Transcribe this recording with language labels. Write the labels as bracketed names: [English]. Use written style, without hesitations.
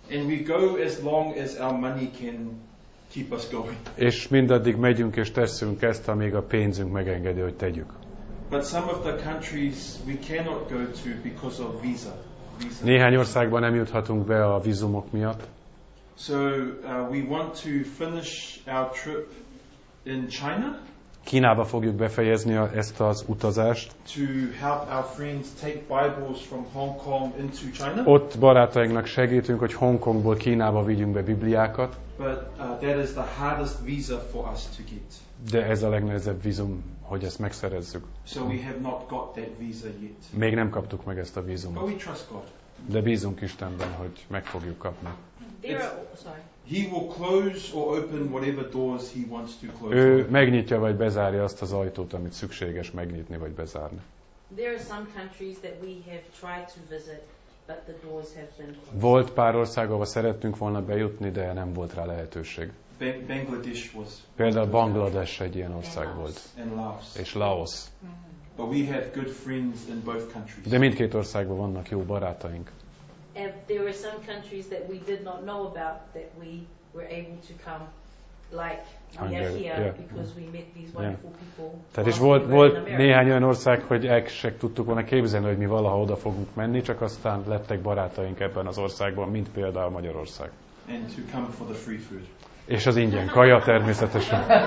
[English] And we go as long as our money can keep us going. [Hungarian] És mindaddig megyünk és tesszünk ezt, amíg a pénzünk megengedi, hogy tegyük. [English] But some of the countries we cannot go to because of visa. [Hungarian] Néhány országban nem juthatunk be a vízumok miatt. [English] So we want to finish our trip in China. [Hungarian] Kínába fogjuk befejezni ezt az utazást. [English] To help our friends take Bibles from Hong Kong into China. [Hungarian] Ott barátainknak segítünk, hogy Hongkongból Kínába vigyünk be Bibliákat. [English] But that is the hardest visa for us to get. [Hungarian] De ez a legnehezebb vízum, hogy ezt megszerezzük. [English] So we have not got that visa yet. [Hungarian] Még nem kaptuk meg ezt a vízumot. [English] But we trust God. [Hungarian] De bízunk Istenben, hogy meg fogjuk kapni. [English] He will close or open whatever doors he wants to close. [Hungarian] Ő megnyitja vagy bezárja azt az ajtót, amit szükséges megnyitni vagy bezárni. [English] There are some countries that we have tried to visit, but the doors have been closed. [Hungarian] Volt pár ország, ahova szerettünk volna bejutni, de nem volt rá lehetőség. [English] Bangladesh was. [Hungarian] Például Bangladesh egy ilyen ország volt. [English] And Laos. [Hungarian] És Laos. [English] But we have good friends in both countries. [Hungarian] De mindkét országban vannak jó barátaink. [English] And there were some countries that we did not know about that we were able to come like Hungary, we are here because we met these wonderful people. [Hungarian] Tehát is volt néhány olyan ország, hogy sem tudtuk volna képzelni, hogy mi valaha oda fogunk menni, csak aztán lettek barátaink ebben az országban, mint például Magyarország. [English] And to come for the free food. [Hungarian] És az ingyen kaja természetesen.